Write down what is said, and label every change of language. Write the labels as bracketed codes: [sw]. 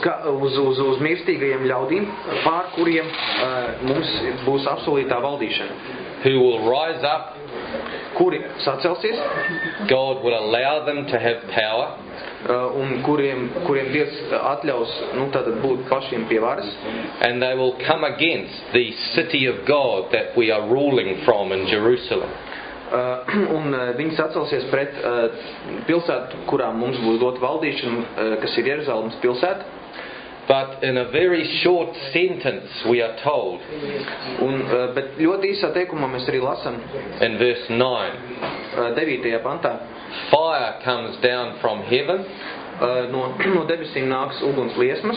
[lv] Uz mirstīgajiem ļaudīm, pār kuriem mums būs absolūtā valdīšana. [en] Who will rise up? [lv] Kuri sacelsies? [en] God will allow them to have power. [lv] Un kuriem Dievs atļaus, nu tātad būt pašiem pie varas. [en] And they will come against the city of God that we are ruling from in Jerusalem. [lv] Un viņi sacelsies pret pilsētu, kurā mums būs dot valdīšana, kas ir Jeruzalemas pilsēta. [en] But in a very short sentence we are told. [lv] Un bet ļoti īsā teikumā mēs arī lasam. [en] In verse 9. [lv] 9. pantā. [en] Fire comes down from heaven. [lv] No debesīm nāks uguns liesmas.